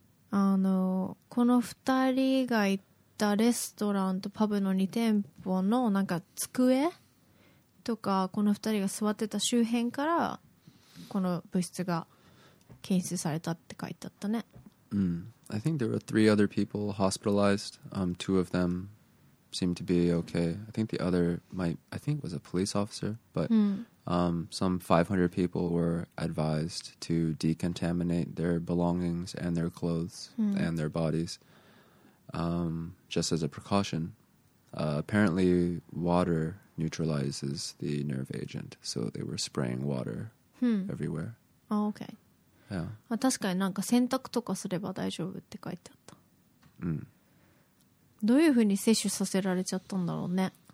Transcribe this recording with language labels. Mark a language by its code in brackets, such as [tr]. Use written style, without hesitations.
[ja] あのこの2人がいてレストランとパブの2店舗のなんか机とか、この2人が座ってた周辺からこの物質が検出されたって書いてあったね。うん。 [en] I think there were three other people hospitalized. Two of them seemed to be okay. I think the other might, I think was a police officer, but、some 500 people were advised to decontaminate their belongings and their clothes、and their bodies. Just as a precaution, apparently water neutralizes the nerve agent, so they were spraying water everywhere. Oh, okay. Yeah. [ja] 確かになんか洗濯とかすれば大丈夫って書いてあった。うん。どういうふうに摂取させられちゃったんだろうね。